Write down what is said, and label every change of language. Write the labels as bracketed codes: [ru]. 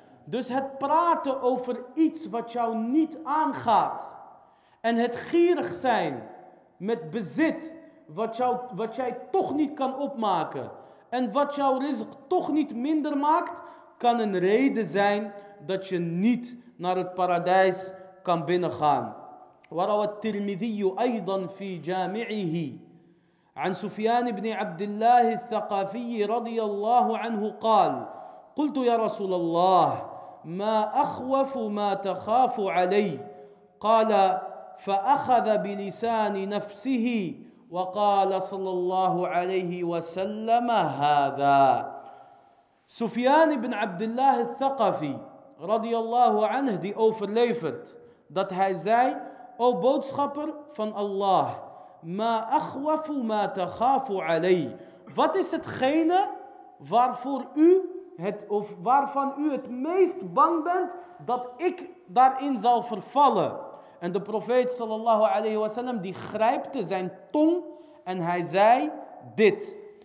[nl] Dus het praten over iets wat jou niet aangaat en het gierig zijn met bezit wat jij toch niet kan opmaken en wat jouw rizq toch niet minder maakt, kan een reden zijn dat je niet naar het paradijs kan binnengaan. [ar] وروى الترمذي أيضا في جامعه عن سفيان بن عبد الله الثقفي رضي الله عنه قال قلت يا رسول الله ما أخوف ما تخاف علي قال فأخذ بلسان نفسه وقال صلى الله عليه وسلم هذا [nl] سفيان بن عبد الله الثقفي رضي الله عنه دي overlevert dat hij zei: O boodschapper van Allah, [ar] ma akhwafu ma takhafu alay. [nl] Wat is hetgene waarvoor u het, of waarvan u het meest bang bent dat ik daarin zal vervallen? En de profeet sallallahu alayhi wasallam die grijpte zijn tong en hij zei dit.